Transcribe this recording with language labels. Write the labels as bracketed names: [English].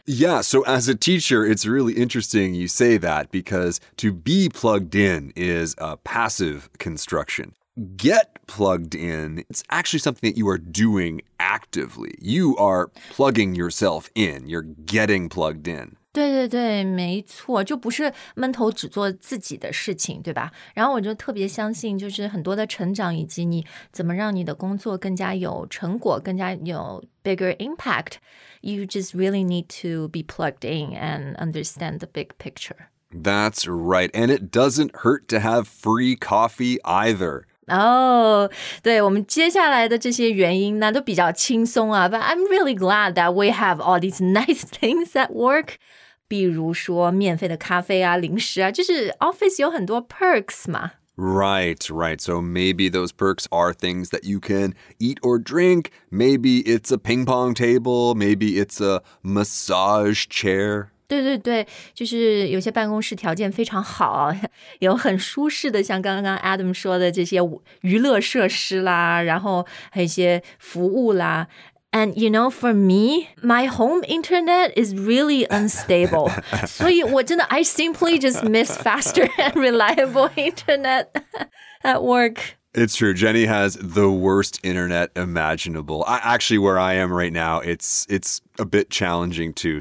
[English] Yeah, so as a teacher, it's really interesting you say that because to be plugged in is a passive construction. Get plugged in, it's actually something that you are doing actively. You are plugging yourself in, you're getting plugged in. [Chinese] 对对对，没错，就不是闷头只做自己的事情，对吧？然后我就特别相信，就是很多的成长以及你怎么让你的工作更加有成果，更加有 [English] bigger impact. You just really need to be plugged in and understand the big picture. That's right. And it doesn't hurt to have free coffee either. [Chinese] 对，我们接下来的这些原因呢都比较轻松啊。 [English] But I'm really glad that we have all these nice things at work. [Chinese] 比如说免费的咖啡啊，零食啊，就是 office 有很多 perks 嘛。 [English] Right, right. So maybe those perks are things that you can eat or drink. Maybe it's a ping pong table. Maybe it's a massage chair. [Chinese] 对对对，就是有些办公室条件非常好，有很舒适的，像刚刚 Adam 说的这些娱乐设施啦，然后还有一些服务啦。 [English] And you know, for me, my home internet is really unstable. [Chinese] 所以我真的 [English] I simply just miss faster and reliable internet at work. It's true. Jenny has the worst internet imaginable. Actually, where I am right now, it's a bit challenging too.